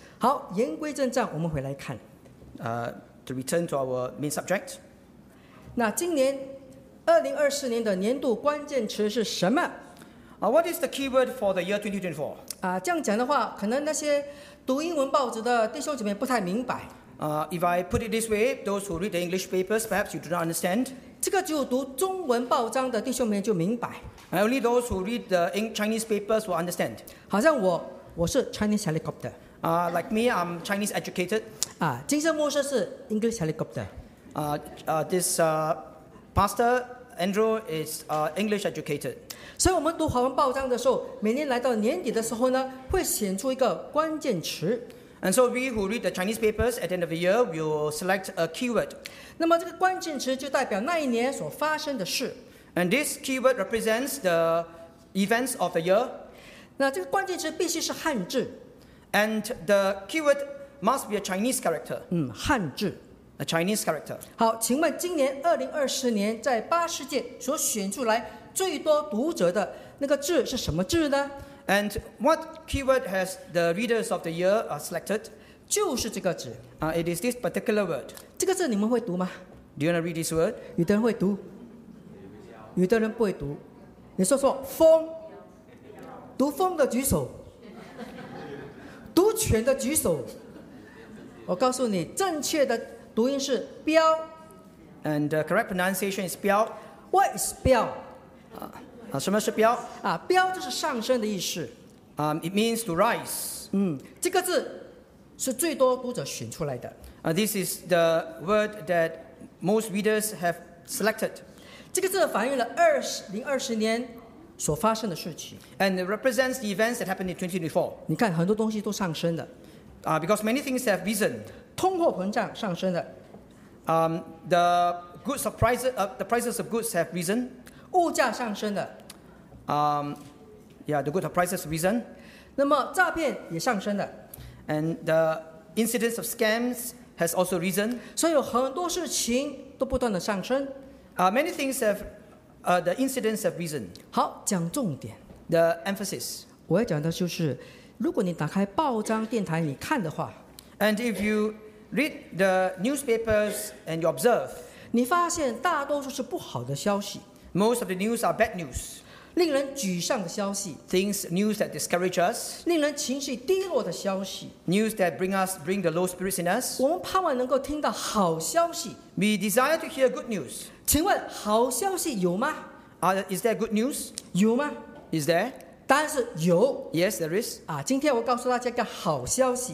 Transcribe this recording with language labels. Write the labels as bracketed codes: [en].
[zh] 好，言归正传，我们回来看。 [en] To return to our main subject. [zh] 那今年2024年的年度关键词是什么？ [en] What is the keyword for the year 2024? [zh] 这样讲的话，可能那些读英文报纸的弟兄姐妹不太明白。 [en] If I put it this way, those who read the English papers, perhaps you do not understand. [zh] 这个只有读中文报章的弟兄们就明白。 [en] And only those who read the Chinese papers will understand. [zh] 好像我是 [en] Chinese helicopter. Like me, I'm Chinese educated. [zh] 金圣牧师是 [en] English helicopter. This pastor Andrew is English educated. [zh] 所以我们读华文报章的时候，每年来到年底的时候呢，会选出一个关键词。 [en] And so we who read the Chinese papers at the end of the year will select a keyword. [zh] 那么这个关键词就代表那一年所发生的事。 [en] And this keyword represents the events of the year. [zh] 那这个关键词必须是汉字。 [en] And the keyword must be a Chinese character. [zh] 汉字。 [en] A Chinese character. [zh] 好，请问今年2020年在八世界所选出来最多读者的那个字是什么字呢？ [en] And what keyword has the readers of the year selected? [zh] 就是这个字。 [en] It is this particular word. [zh] 这个字你们会读吗？ [en] Do you want to read this word? [zh] 有的人会读，有的人不会读。你说说，风，读风的举手，读犬的举手。我告诉你，正确的读音是彪。 [en] And the correct pronunciation is 彪。 What is 彪？ [zh] 什么是标？标就是上升的意思。 [en] It means to rise. [zh] 这个字是最多读者选出来的。 [en] This is the word that most readers have selected. [zh] 这个字反映了2020年所发生的事情。 [en] And it represents the events that happened in 2024. [zh] 你看，很多东西都上升的。 [en] Because many things have risen. [zh] 通货膨胀上升的。 [en] The goods of prices, the prices of goods have risen. [zh] 物价上升的。 [en] The good prices risen. [zh] 那么诈骗也上升的。 [en] And the incidence of scams has also risen. [zh] 所以有很多事情都不断的上升。 [en] Many things have, the incidence have risen. [zh] 好，讲重点。 [en] The emphasis. [zh] 我要讲的就是，如果你打开报章电台你看的话。 [en] And if you read the newspapers and you observe. [zh] 你发现大多数是不好的消息。 [en] Most of the news are bad news. [zh] 令人沮丧的消息。 [en] Things, news that discourage us. [zh] 令人情绪低落的消息。 [en] News that bring the low spirits in us. [zh] 我们盼望能够听到好消息。 [en] We desire to hear good news. [zh] 请问好消息有吗？ [en] Is there good news? [zh] 有吗？ [en] Is there? [zh] 答案是有。 [en] Yes, there is. [zh] 今天我告诉大家一个好消息。